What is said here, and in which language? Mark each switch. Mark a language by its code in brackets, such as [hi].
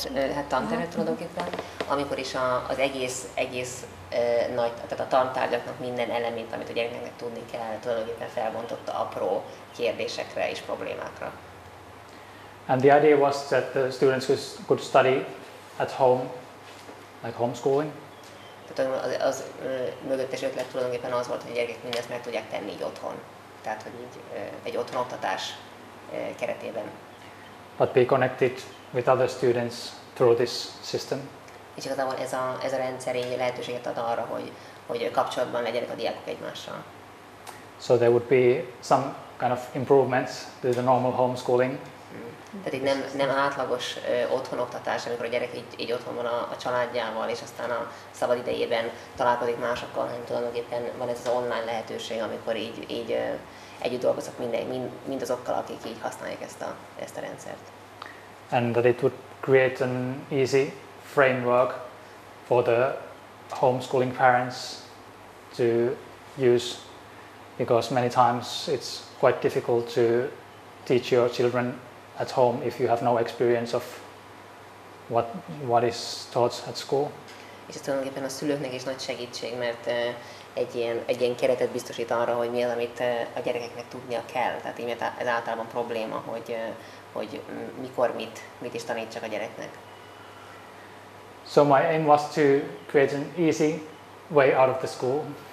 [hu] Tehát hát tantermet tulajdonképpen, amikor is az egész nagy, tehát a tantárgyaknak minden elemét, amit a gyereknek tudni kell, tulajdonképpen felbontotta apró kérdésekre és problémákra. [en] And the idea was that the students could study at home, like homeschooling. [hu] Tehát az mögöttes ötlet tulajdonképpen az volt, hogy a gyerekek mindezt meg tudják tenni így otthon. Tehát, hogy így egy otthon oktatás keretében. [en] But be connected with other students through this system. [hu] És igazából ez a rendszer így lehetőséget ad arra, hogy kapcsolatban legyenek a diákok egymással. [en] So there would be some kind of improvements to the normal homeschooling. [hu] Tehát itt nem átlagos otthonoktatás, amikor a gyerek így otthon van a családjával, és aztán a szabad idejében találkozik másokkal, hanem tulajdonképpen van ez az online lehetőség, amikor így együtt dolgozok mindazokkal, akik így használják ezt a rendszert. [en] And that it would create an easy framework for the homeschooling parents to use, because many times it's quite difficult to teach your children at home if you have no experience of what is taught at school. [hu] És tulajdonképpen a szülőknek is nagy segítség, mert egy ilyen keretet biztosít arra, hogy mi az, amit a gyerekeknek tudnia kell. Tehát így ez általában probléma, hogy mikor mit is tanítsak a gyereknek. [en] So my aim was to create an easy way out of the school.